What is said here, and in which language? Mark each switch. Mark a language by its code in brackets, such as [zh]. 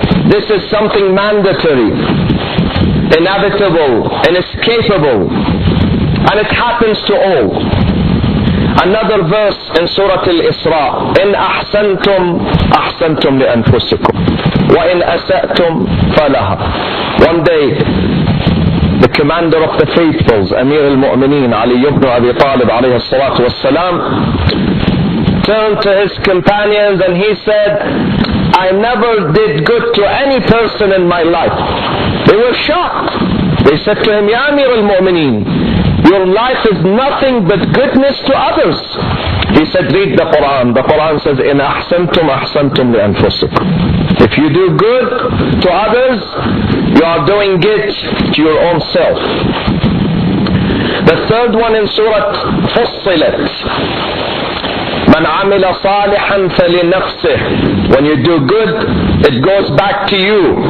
[en] This is something mandatory, inevitable, inescapable, and it happens to all. Another verse in Surah Al-Isra, [ar] إِنْ أَحْسَنْتُمْ أَحْسَنْتُمْ لِأَنفُسِكُمْ وَإِنْ أَسَأْتُمْ فَلَهَا. [en] One day, the commander of the faithfuls, Amir al-Mu'mineen, Ali ibn Abi Talib, alayhi salatu wassalam, turned to his companions and he said, I never did good to any person in my life. They were shocked. They said to him, Ya Amir al-Mu'mineen, your life is nothing but goodness to others. He said, read the Quran. The Quran says, [ar] إِنْ أَحْسَنْتُمْ أَحْسَنْتُمْ لِأَنفُسِكُمْ. [en] If you do good to others, you are doing good to your own self. The third one in Surah Fussilat, [ar] مَنْ عَمِلَ صَالِحًا فَلِنَفْسِهِ [en] When you do good, it goes back to you.